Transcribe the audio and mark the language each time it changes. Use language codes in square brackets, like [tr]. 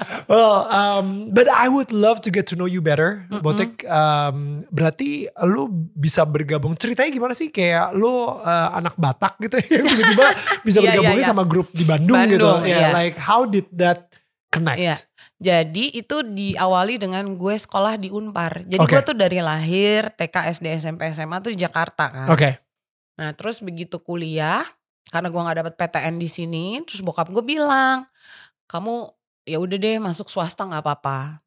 [en] Well, but I would love to get to know you better, Botek. [id] Berarti lu bisa bergabung, ceritanya gimana sih? Kayak lu anak Batak gitu yang tiba-tiba bisa bergabungnya sama grup di Bandung gitu. [en] Like how did that connect? [id] Jadi itu diawali dengan gue sekolah di Unpar. Jadi gue tuh dari lahir TK, SD, SMP, SMA tuh di Jakarta kan. Nah terus begitu kuliah, karena gue nggak dapet PTN di sini, terus bokap gue bilang, kamu ya udah deh masuk swasta nggak apa-apa.